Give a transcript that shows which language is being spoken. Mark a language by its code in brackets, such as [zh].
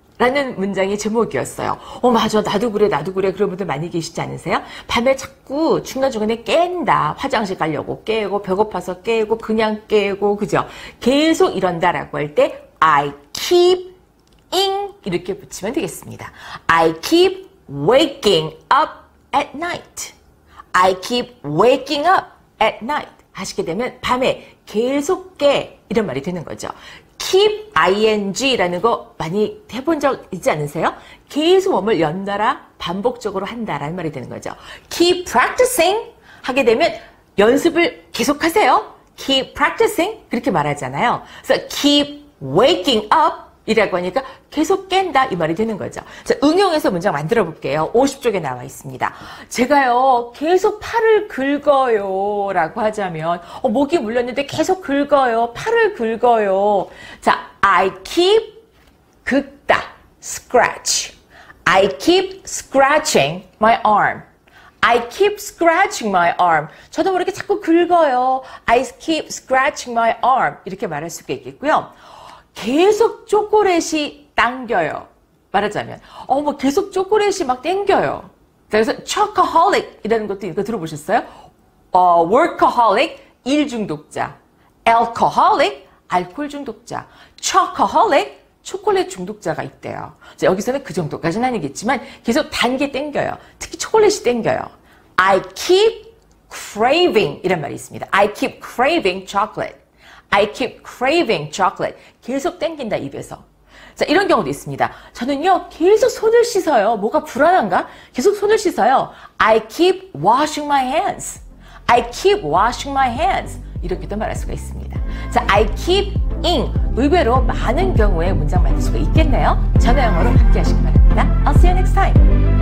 [ko] 라는 문장의 제목이었어요. 어, 맞아. 나도 그래. 나도 그래. 그런 분들 많이 계시지 않으세요? 밤에 자꾸 중간중간에 깬다. 화장실 가려고 깨고, 배고파서 깨고, 그냥 깨고, 그죠? 계속 이런다라고 할 때, [en] I keep ing [ko] 이렇게 붙이면 되겠습니다. [en] I keep waking up at night. I keep waking up at night. [ko] 하시게 되면 밤에 계속 깨 이런 말이 되는 거죠. [en] keep ing [ko] 라는 거 많이 해본 적 있지 않으세요? 계속 몸을 연달아 반복적으로 한다라는 말이 되는 거죠. [en] keep practicing [ko] 하게 되면 연습을 계속 하세요. [en] keep practicing [ko] 그렇게 말하잖아요. 그래서 [en] keep waking up [ko] 이라고 하니까 계속 깬다 이 말이 되는 거죠. 자, 응용해서 문장 만들어 볼게요. 50쪽에 나와 있습니다. 제가요 계속 팔을 긁어요 라고 하자면 목이 물렸는데 계속 긁어요. 팔을 긁어요. 자, [en] I keep [ko] 긁다. scratch. [en] I keep scratching my arm. I keep scratching my arm. [ko] 저도 모르게 자꾸 긁어요. [en] I keep scratching my arm. [ko] 이렇게 말할 수가 있겠고요. 계속 초콜릿이 당겨요. 말하자면 어머 계속 초콜릿이 막 당겨요. 그래서 chocoholic 이라는 것도 이거 들어보셨어요? workaholic 일 중독자, alcoholic 알코올 중독자, chocoholic 초콜릿 중독자가 있대요. 여기서는 그 정도까지는 아니겠지만 계속 단게 당겨요. 특히 초콜릿이 당겨요. [en] I keep craving [ko] 이란 말이 있습니다. [en] I keep craving chocolate. I keep craving chocolate. [ko] 계속 땡긴다, 입에서. 자, 이런 경우도 있습니다. 저는요, 계속 손을 씻어요. 뭐가 불안한가? 계속 손을 씻어요. [en] I keep washing my hands. I keep washing my hands. [ko] 이렇게도 말할 수가 있습니다. 자, [en] I keep ing. [ko] 의외로 많은 경우에 문장 만들 수가 있겠네요. 전화영어로 함께 하시기 바랍니다. [en] I'll see you next time.